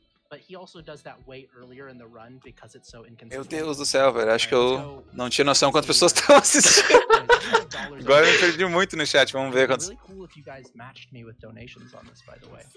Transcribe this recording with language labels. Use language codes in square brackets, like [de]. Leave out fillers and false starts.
[en] But he also does that way earlier in the run because it's so inconsistent. [pt] Meu Deus do céu, velho. Acho que eu não tinha noção quantas pessoas estavam assistindo. Agora eu me perdi muito no chat. Vamos ver quantos. [en] Really cool if you guys matched me with donations on this, by the way.